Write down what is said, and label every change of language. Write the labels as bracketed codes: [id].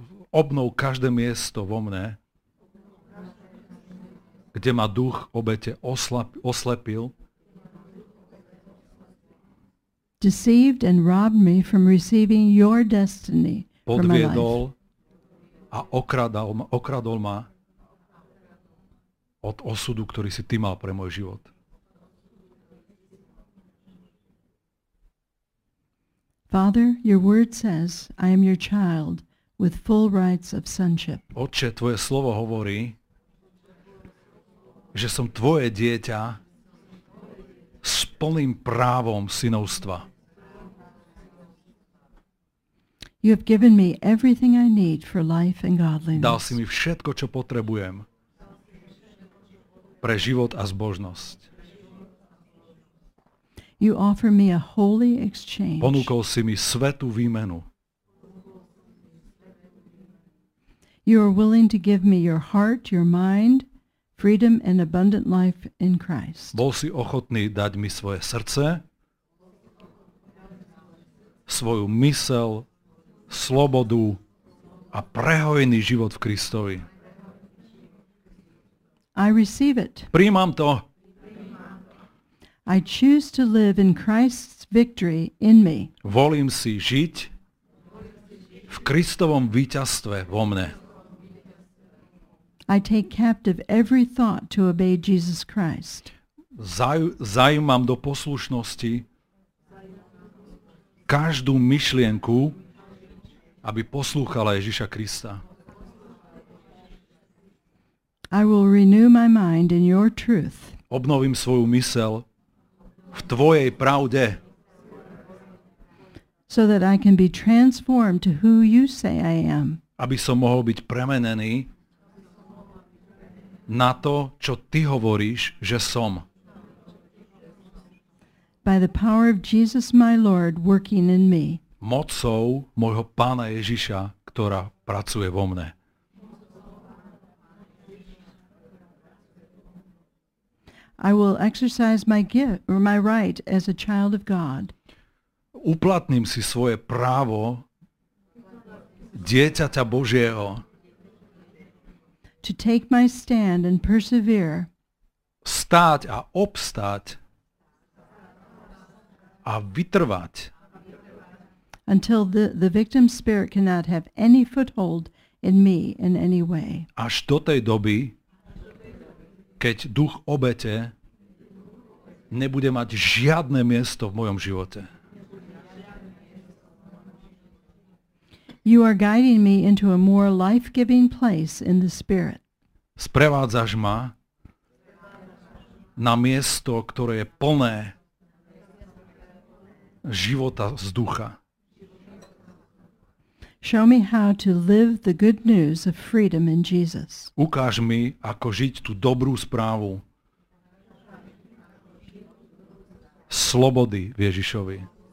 [sk] Obnov každé miesto vo mne, kde ma duch obete oslepil. [en] Deceived and robbed me from receiving your destiny for my life. [sk] Podviedol a okradol ma od osudu, ktorý si ty mal pre môj život. [en] Father, your word says, I am your child with full rights of sonship. [sk] Otče, tvoje slovo hovorí, že som tvoje dieťa s plným právom synovstva. [en] You have given me everything I need for life and godliness. [sk] Dal si mi všetko, čo potrebujem pre život a zbožnosť. [en] You offer me a holy exchange. [sk] Ponúkol si mi svetú výmenu. [en] You are willing to give me your heart, your mind, freedom and abundant life in Christ. [sk] Bol si ochotný dať mi svoje srdce, svoju mysel, slobodu a prehojný život v Kristovi. [en] I receive it. [sk] Prijímam to. [en] I choose to live in Christ's victory in me. [sk] Volím si žiť v Kristovom víťazstve vo mne. [en] I take captive every thought to obey Jesus Christ. [sk] Zajímam do poslušnosti každú myšlienku, aby poslúchala Ježiša Krista. [en] I will renew my mind in your truth. [sk] Obnovím svoju myseľ v tvojej pravde. [en] So that I can be transformed to who you say I am. [sk] Aby som mohol byť premenený na to, čo ty hovoríš, že som. [en] By the power of Jesus my Lord working in me. [sk] Mocou môjho Pána Ježiša, ktorá pracuje vo mne. [en] I will exercise my gift or my right as a child of God. [sk] Uplatním si svoje právo dieťaťa Božieho. [en] To take my stand and persevere. [sk] Stáť a obstáť a vytrvať. [en] Until the victim spirit cannot have any foothold in me in any way. [sk] Až do tej doby, keď duch obete nebude mať žiadne miesto v mojom živote. [en] You are guiding me into a more life-giving place in the spirit. [sk] Sprevádzaš ma na miesto, ktoré je plné života z ducha. [en] Show me how to live the good news of freedom in Jesus. [sk] Ukáž mi, ako žiť tú dobrú správu slobody v Ježišovi.